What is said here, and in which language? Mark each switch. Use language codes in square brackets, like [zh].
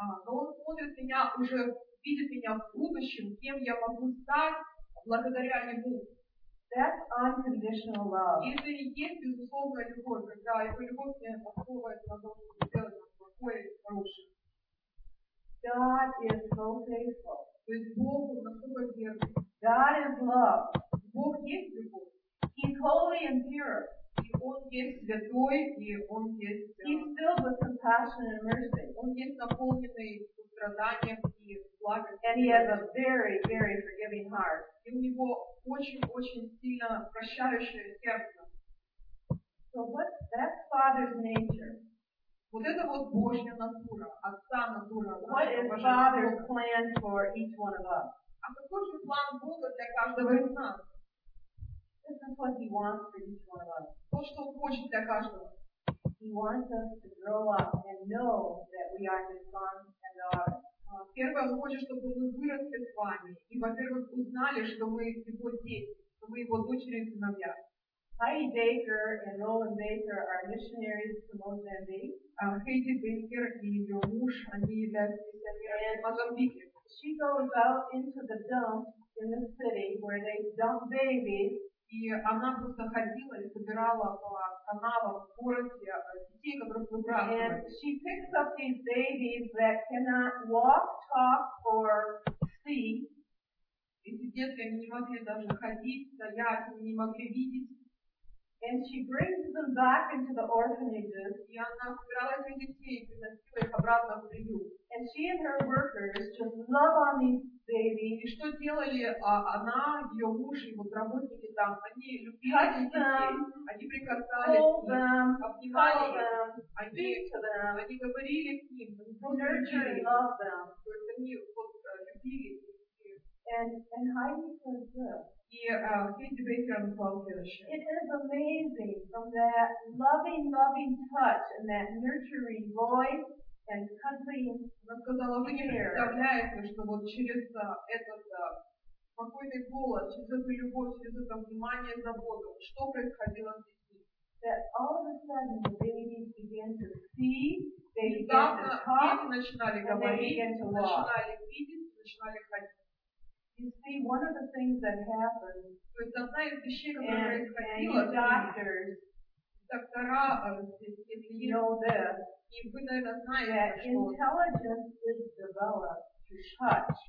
[ru] Но Он смотрит меня, уже видит меня в будущем, кем я могу стать благодаря Ему. [en] That's unconditional love. [ru] Если есть безусловная любовь, когда его любовь не основывается на том, что сделать плохое или хорошее. [en] God is so faithful. [ru] То есть Бог он настолько верный. [en] God is love. [ru] Бог есть любовь. [en] He's holy and pure. [ru] И он есть святой, и он есть. [en] He's filled with compassion and mercy. [ru] Он есть наполненный состраданием и благостью. [en] And he has a very, very forgiving heart. [ru] И у него очень-очень сильно прощающее сердце. [en] So what, that's Father's nature. [ru] Вот это вот Божья натура, Отца натура. [en] What is Father's plan for each one of us? [ru] А какой же план Бога для каждого из нас? [en] This is what He wants for each one of us. [ru] То, что Он хочет для каждого. [en] He wants us to grow up and know that we are His sons and daughters. [ru] Первое, Он хочет, чтобы мы выросли с вами. И, во-первых, узнали, что мы Его дети, что мы Его дочери и сыновья. [en] Heidi Baker and Roland Baker are missionaries to Mozambique. [ru] Heidi Baker и ее муж, они являются миссионерами в Мозамбике. [en] She goes out into the dump in the city where they dump babies. [ru] И она просто ходила и собирала по каналам в городе детей, которых выбрасывали. [en] And she picks up these babies that cannot walk, talk, or see. [ru] Эти детки, они не могли даже ходить, стоять, они не могли видеть. [en] And she brings them back into the orphanages. [ru] И она собирала этих детей и приносила их обратно в приют. [en] And she and her workers just love on these babies. [ru] И что делали она, ее муж и вот работники там? Они любили [en] touch [ru] детей. [en] Them, [ru] они прикасались к ним, обнимали их. Они говорили к ним. Они [en] nurturing love them. [ru] То есть они вот любили. [en] And Heidi says this. [ru] И Хейди Бейкер сказал следующее. [en] It is amazing from that loving touch and that nurturing voice and cuddling. [ru] Она сказала, вы не представляете, что вот через этот спокойный голос, через эту любовь, через это внимание, заботу, что происходило с детьми? [en] That all of a sudden the babies began to see, they [ru] начинали видеть, начинали ходить. [en] You see, one of the things that happens, and doctors, you know this, that intelligence is developed through touch.